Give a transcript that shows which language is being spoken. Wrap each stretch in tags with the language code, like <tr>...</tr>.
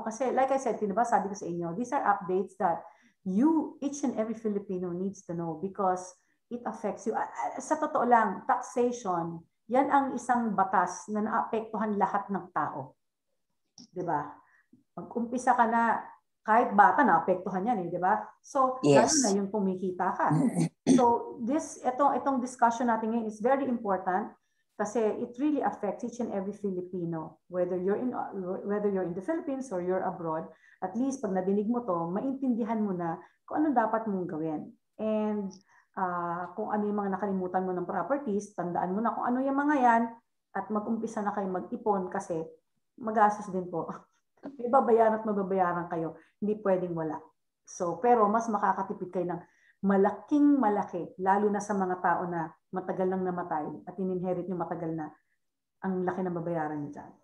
<tl>Kasi</tl> <en>like I said,</en> <tl>diba, sabi ko sa inyo,</tl> <en>these are updates that you, each and every Filipino needs to know because it affects you.</en> <tl>Sa totoo lang, taxation, yan ang isang batas na naapektuhan lahat ng tao. Diba? Mag-umpisa ka na, kahit bata, naapektuhan yan eh, diba? So,</tl> <en>yes.</en> <tl>Lalo na yung pumikita ka. So, itong discussion natin ngayon</tl> <en>is very important.</en> <tl>Kasi</tl> <en>it really affects each and every Filipino, whether you're in the Philippines or you're abroad.</en> <tl>At least pag nadinig mo to, maintindihan mo na kung anong dapat mong gawin. And kung ano yung mga nakalimutan mo ng properties, tandaan mo na kung ano yung mga yan at mag-umpisa na kayo mag-ipon kasi mag-asos din po. May babayaran at mababayaran kayo. Hindi pwedeng wala. So, pero mas makakatipid kayo ng malaking malaki, lalo na sa mga tao na matagal nang namatay at in-inherit nyo matagal na ang laki na babayaran nyo dyan.</tl>